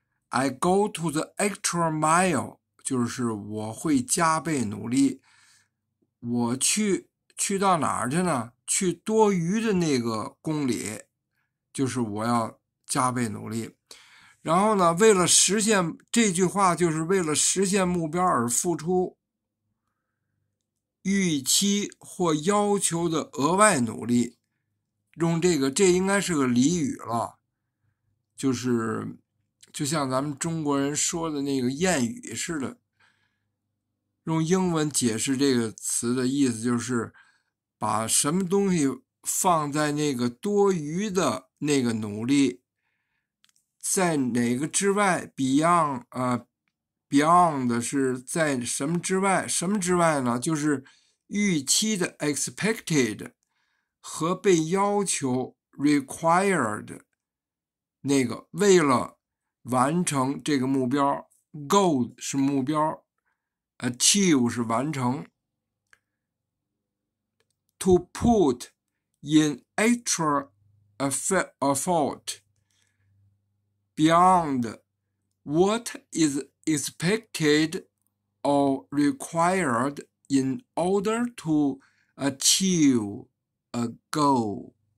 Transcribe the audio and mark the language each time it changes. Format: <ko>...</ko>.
<en>I go to the extra mile，</en> <zh>就是我会加倍努力。我去到哪儿去呢？去多余的那个公里，就是我要加倍努力。然后呢，为了实现这句话，就是为了实现目标而付出。预期或要求的额外努力，用这个，这应该是个俚语了，就是就像咱们中国人说的那个谚语似的。用英文解释这个词的意思，就是把什么东西放在那个多余的那个努力，在哪个之外，beyond 的是在什么之外？什么之外呢？就是。预期的 expected 和被要求 required 那个为了完成这个目标，goal 是目标，achieve 是完成。</zh> <en>To put in extra effort beyond what is expected or required in order to achieve a goal.</en>